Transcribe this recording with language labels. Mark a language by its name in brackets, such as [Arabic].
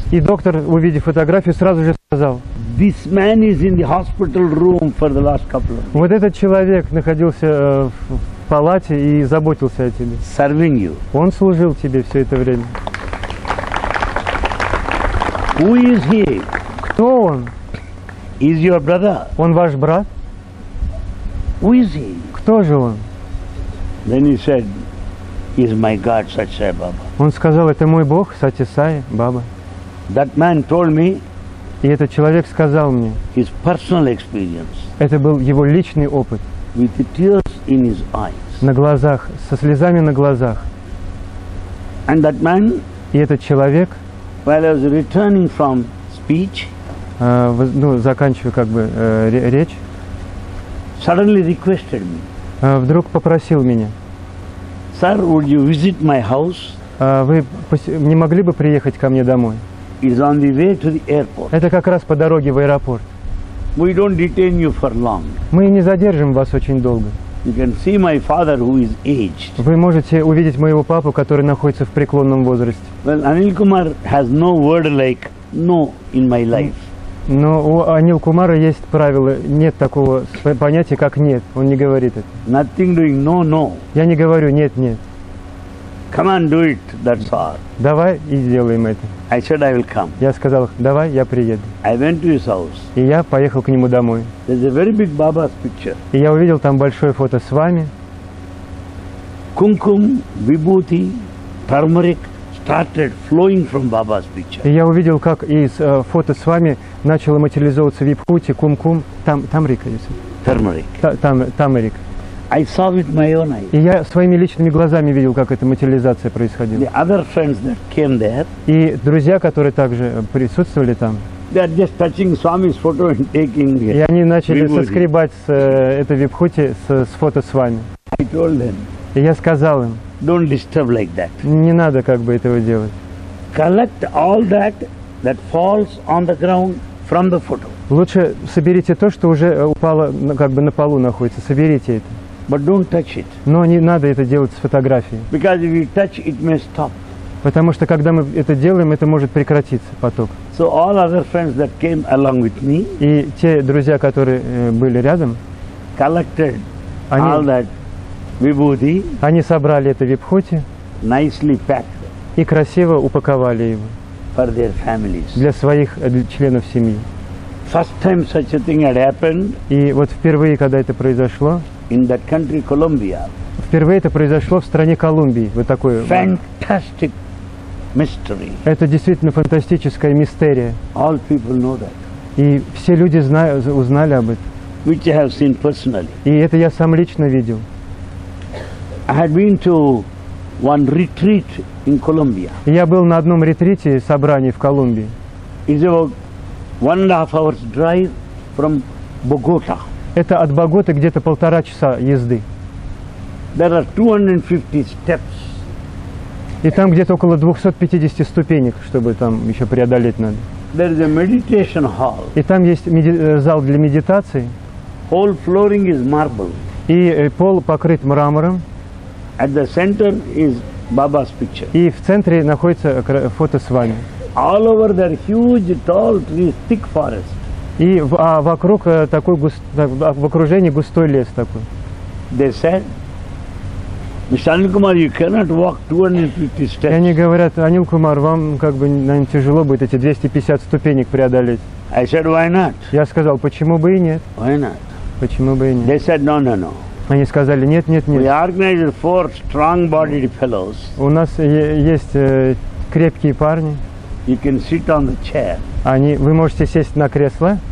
[Russian] И доктор, увидев фотографию, сразу же сказал. [English] This man is in the hospital room for the last couple of days. [Russian] Вот этот человек находился в палате и заботился о тебе. [English] Serving you. [Russian] Он служил тебе все это время. [English] Who is he? [Russian] Кто он? [English] Is your brother? [Russian] Он ваш брат? [English] Who is he? [Russian] Кто же он? [English] Then he said, "Is my God Satyasai Baba?" [Russian] Он сказал, это мой Бог Сатисай Баба. [English] That man told me. [Russian] И этот человек сказал мне. [English] His personal experience. [Russian] Это был его личный опыт. [English] With the tears in his eyes. [Russian] На глазах, со слезами на глазах. [English] And that man. [Russian] И этот человек. [English] While I was returning from speech. [Russian] Заканчивая как бы речь. [English] Suddenly requested me. [Russian] Вдруг попросил меня. [English] Sir, would you visit my house? [Russian] Вы не могли бы приехать ко мне домой? [English] It's on the way to the airport. [Russian] Это как раз по дороге в аэропорт. [English] We don't detain you for long. [Russian] Мы не задержим вас очень долго. [English] You can see my father, who is aged. [Russian] Вы можете увидеть моего папу, который находится в преклонном возрасте. [English] Well, Anil Kumar has no word like no in my life. [Russian] Но у Анил Кумара есть правило, нет такого понятия, как нет. Он не говорит это. [English] Nothing doing, no, no. [Russian] Я не говорю нет, нет. [English] Come on, do it, that's all. [Russian] Давай и сделаем это. [English] I said I will come. [Russian] Я сказал, давай, я приеду. [English] I went to his house. [Russian] И я поехал к нему домой. [English] There's a very big Baba's picture. [Russian] И я увидел там большое фото с вами. Кумкум, вибхути, турмерик, [English] started flowing from Baba's picture. [Russian] И я увидел, как из фото с вами начало материализовываться Випхути, Кум-Кум, Тамрика, если. Тамрик. Тамрик. [English] I saw with my own eyes. [Russian] И я своими личными глазами видел, как эта материализация происходила. [English] The other friends that came there. [Russian] И друзья, которые также присутствовали там. [English] They are just touching Swami's photo and taking it. [Russian] И они начали соскребать с этой Випхути с фото с вами. [English] I told them. [Russian] И я сказал им. [English] Don't disturb like that. [Russian] Не надо как бы этого делать. [English] Collect all that that falls on the ground from the photo. [Russian] Лучше соберите то, что уже упало, как бы на полу находится. Соберите это. [English] But don't touch it. [Russian] Но не надо это делать с фотографией. [English] Because if you touch, it may stop. [Russian] Потому что когда мы это делаем, это может прекратиться поток. [English] So all other friends that came along with me. [Russian] И те друзья, которые были рядом. [English] Collected all that. Vibhuti. [Russian] Они собрали это Випхути. [English] Nicely packed. [Russian] И красиво упаковали его. [English] For their families. [Russian] Для своих членов семьи. [English] First time such a thing had happened. [Russian] И вот впервые, когда это произошло. [English] In that country, Colombia. [Russian] Впервые это произошло в стране Колумбии. Вот такое. [English] Fantastic mystery. [Russian] Это действительно фантастическая мистерия. [English] All people know that. [Russian] И все люди узнали об этом. [English] Which I have seen personally. [Russian] И это я сам лично видел. [English] I had been to one retreat in Colombia. [Russian] Я был на одном ретрите, собрании в Колумбии. [English] It's about 1.5 hours drive from Bogota. [Russian] Это от Боготы где-то 1.5 часа езды. [English] There are 250 steps. [Russian] И там где-то около 250 ступенек, чтобы там еще преодолеть надо. [English] There is a meditation hall. [Russian] И там есть зал для медитации. [English] Whole flooring is marble. [Russian] И пол покрыт мрамором. [English] At the center is Baba's picture. [Russian] И в центре находится фото с вами. [English] All over there huge, tall trees, thick forest. [Russian] И вокруг такой в окружении густой лес такой. [English] They said, Mr. Anil Kumar, you cannot walk 250 steps. [Russian] И они говорят, Анил Кумар, вам как бы, наверное, тяжело будет эти 250 ступенек преодолеть. [English] I said, why not? [Russian] Я сказал, почему бы и нет? [English] Why not? [Russian] Почему бы и нет? [English] They said, no, no, no. [Russian] Они сказали, нет, нет, нет. [English] We organized four strong-bodied fellows. [Russian] У нас есть крепкие парни. [English] You can sit on the chair. [Russian] Вы можете сесть на кресло.